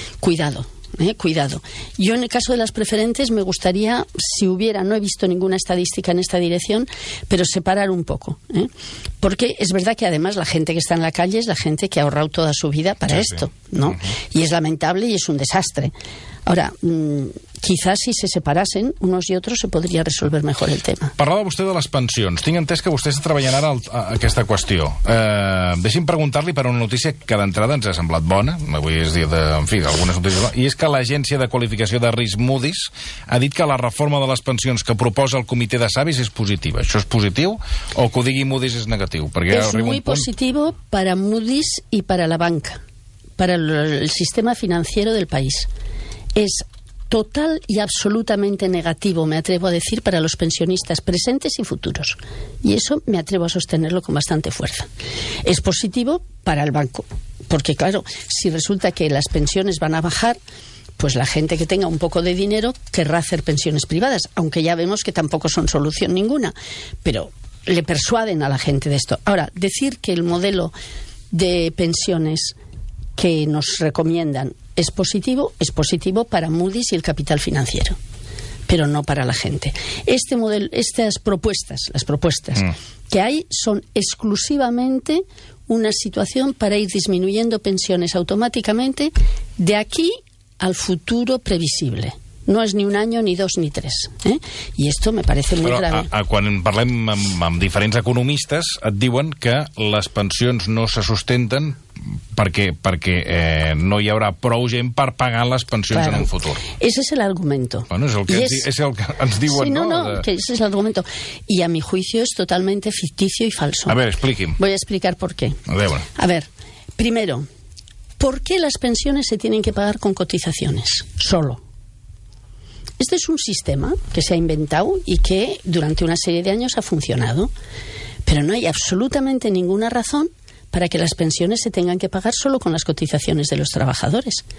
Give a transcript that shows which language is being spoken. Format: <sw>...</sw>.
<es>Cuidado, cuidado. Yo en el caso de las preferentes me gustaría, si hubiera, no he visto ninguna estadística en esta dirección, pero separar un poco. Porque es verdad que además la gente que está en la calle es la gente que ha ahorrado toda su vida para esto, ¿no? Y es lamentable y es un desastre. Ahora, quizás si se separasen unos y otros se podría resolver mejor el tema.</es> <ca>Parlava vostè de les pensions. Tinc entès que vostè està treballant ara aquesta qüestió. Deixi'm preguntar-li per una notícia que d'entrada ens ha semblat bona, avui és dia de, en fi, d'algunes notícies, i és que l'Agència de Qualificació de Risc Moody's ha dit que la reforma de les pensions que proposa el Comitè de Savis és positiva. Això és positiu o que ho digui Moody's és negatiu? Perquè és molt positiu per a Moody's i per a la banca, per al sistema financer del país.</ca> <es>És total y absolutamente negativo, me atrevo a decir, para los pensionistas presentes y futuros. Y eso me atrevo a sostenerlo con bastante fuerza. Es positivo para el banco, porque claro, si resulta que las pensiones van a bajar, pues la gente que tenga un poco de dinero querrá hacer pensiones privadas, aunque ya vemos que tampoco son solución ninguna. Pero le persuaden a la gente de esto. Ahora, decir que el modelo de pensiones que nos recomiendan es positivo para Moody's y el capital financiero, pero no para la gente. Este modelo, estas propuestas, las propuestas que hay son exclusivamente una situación para ir disminuyendo pensiones automáticamente de aquí al futuro previsible. No es ni un año, ni dos, ni tres. Y esto me parece muy grave.</es> <ca>Quan parlem amb diferents economistes, et diuen que les pensions no se sustenten perquè no hi haurà prou gent per pagar les pensions en un futur.</ca> <es>Ese es el argumento.</es> <ca>Bueno, és el que ens diuen,</ca> <es>sí, no, que ese es el argumento. Y a mi juicio es totalmente ficticio y falso.</es> <ca>A ver, expliqui'm.</ca> <es>Voy a explicar por qué. A ver, primero, ¿por qué las pensiones se tienen que pagar con cotizaciones? Solo. Este es un sistema que se ha inventado y que durante una serie de años ha funcionado, pero no hay absolutamente ninguna razón para que las pensiones se tengan que pagar solo con las cotizaciones de los trabajadores.</es>